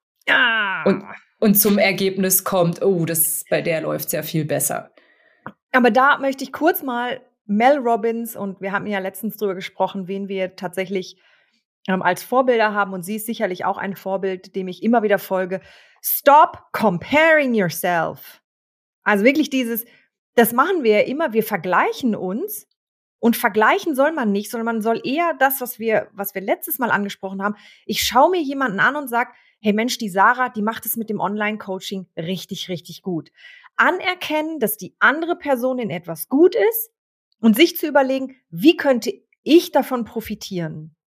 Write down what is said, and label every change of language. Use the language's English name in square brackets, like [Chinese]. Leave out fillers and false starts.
[German] Ja. Und zum Ergebnis kommt, oh, das bei der läuft es ja viel besser. Aber da möchte ich kurz mal Mel Robbins, und wir haben ja letztens drüber gesprochen, wen wir tatsächlich als Vorbilder haben, und sie ist sicherlich auch ein Vorbild, dem ich immer wieder folge. [English] Stop comparing yourself. [German] Also wirklich dieses, das machen wir ja immer, wir vergleichen uns, und vergleichen soll man nicht, sondern man soll eher das, was wir letztes Mal angesprochen haben, ich schaue mir jemanden an und sage, hey Mensch, die Sarah, die macht es mit dem Online-Coaching richtig, richtig gut. Anerkennen, dass die andere Person in etwas gut ist und sich zu überlegen, wie könnte ich davon profitieren?